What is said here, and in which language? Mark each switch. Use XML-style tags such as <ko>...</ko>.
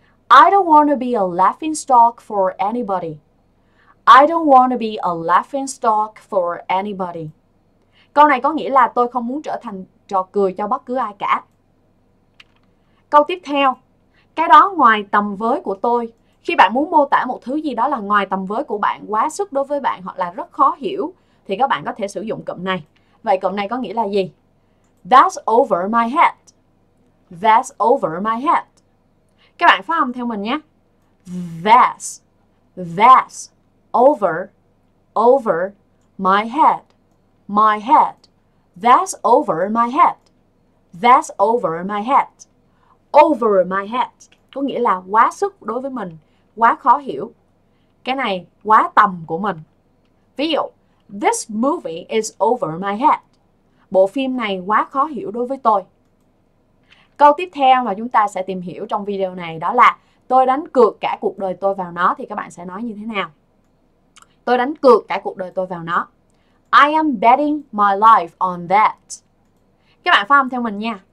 <en>I don't wanna be a laughing stock for anybody. I don't wanna be a laughing stock for anybody.</en> <vi>Câu này có nghĩa là tôi không muốn trở thành trò cười cho bất cứ ai cả. Câu tiếp theo. Cái đó ngoài tầm với của tôi. Khi bạn muốn mô tả một thứ gì đó là ngoài tầm với của bạn, quá sức đối với bạn hoặc là rất khó hiểu thì các bạn có thể sử dụng cụm này. Vậy cụm này có nghĩa là gì?</vi> <en>That's over my head. That's over my head.</en> <vi>Các bạn phát âm theo mình nhé.</vi> <en>That's. That's over. Over my head. My head. That's over my head. That's over my head. Over my head.</en> <vi>Có nghĩa là quá sức đối với mình, quá khó hiểu. Cái này quá tầm của mình. Ví dụ,</vi> <en>this movie is over my head.</en> <vi>Bộ phim này quá khó hiểu đối với tôi. Câu tiếp theo mà chúng ta sẽ tìm hiểu trong video này đó là tôi đánh cược cả cuộc đời tôi vào nó thì các bạn sẽ nói như thế nào? Tôi đánh cược cả cuộc đời tôi vào nó.</vi> <en>I am betting my life on that.</en> <vi>Các bạn phát âm theo mình nha.</vi>